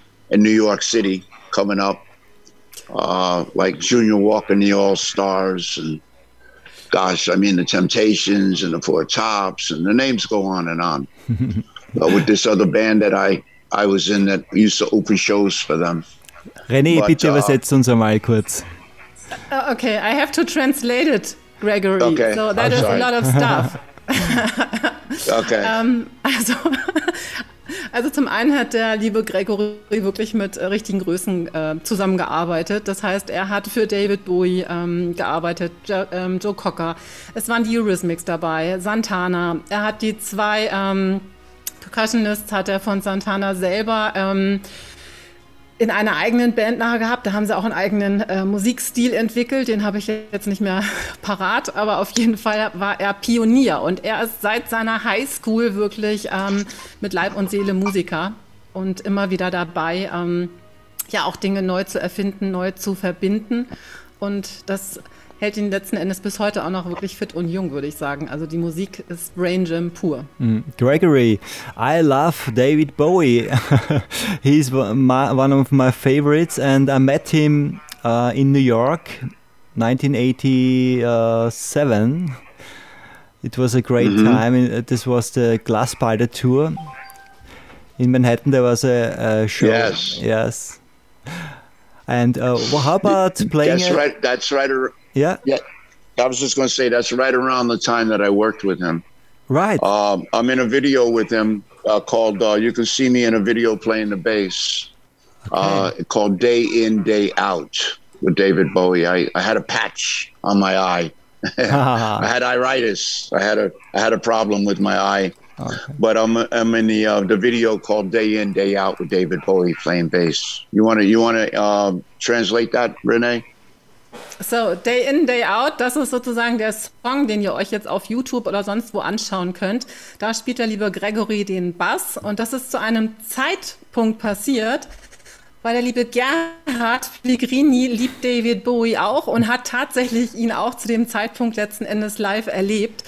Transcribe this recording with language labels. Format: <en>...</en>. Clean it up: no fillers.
<en>In New York City, coming up, like Junior Walker and the All Stars, and gosh, I mean, the Temptations and the Four Tops, and the names go on and on. But with this other band that I was in that used to open shows for them.</en> <de>René, bitte übersetz uns einmal kurz.</de> <en>Okay, I have to translate it, Gregory. Okay. So that is sorry. A lot of stuff. Okay.</en> <de>Also zum einen hat der liebe Gregory wirklich mit richtigen Größen zusammengearbeitet. Das heißt, er hat für David Bowie gearbeitet, Joe Cocker. Es waren die Eurythmics dabei, Santana. Er hat die zwei Percussionist hat er von Santana selber in einer eigenen Band nachher gehabt. Da haben sie auch einen eigenen Musikstil entwickelt. Den habe ich jetzt nicht mehr parat, aber auf jeden Fall war er Pionier. Und er ist seit seiner Highschool wirklich mit Leib und Seele Musiker und immer wieder dabei, auch Dinge neu zu erfinden, neu zu verbinden. Und das hält ihn letzten Endes bis heute auch noch wirklich fit und jung, würde ich sagen. Also die Musik ist Brain Gym pur.</de> <en>Gregory, I love David Bowie. He's one of my favorites and I met him in New York 1987. It was a great time. This was the Glasspalter Tour. In Manhattan there was a show. Yes. And how about playing... I was just going to say that's right around the time that I worked with him. Right. I'm in a video with him called You Can See Me in a Video Playing the Bass. Okay. Called Day In, Day Out with David Bowie. I had a patch on my eye. I had iritis. I had a problem with my eye. Okay. But I'm in the video called Day In, Day Out with David Bowie playing bass. You want to translate that, Renee?</en> <de>So, Day In, Day Out, das ist sozusagen der Song, den ihr euch jetzt auf YouTube oder sonst wo anschauen könnt. Da spielt der liebe Gregory den Bass und das ist zu einem Zeitpunkt passiert, weil der liebe Gerhard Pellegrini liebt David Bowie auch und hat tatsächlich ihn auch zu dem Zeitpunkt letzten Endes live erlebt.</de>